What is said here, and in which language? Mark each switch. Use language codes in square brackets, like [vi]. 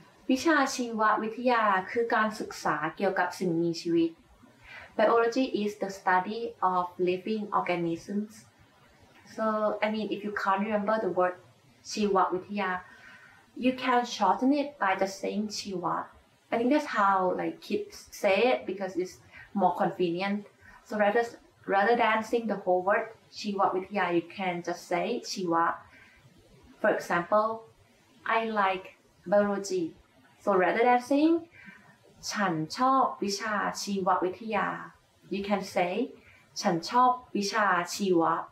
[th] วิชาชีววิทยาคือการศึกษาเกี่ยวกับสิ่งมีชีวิต [en] Biology is the study of living organisms. So, I mean, if you can't remember the word chiwawithya, you can shorten it by just saying chiwa. I think that's how like kids say it because it's more convenient. So rather than saying the whole word chiwawithya, you can just say chiwa. For example, I like biology. So rather than saying, [th] ฉันชอบวิชาชีววิทยา [en] You can say [th] ฉันชอบวิชาชีว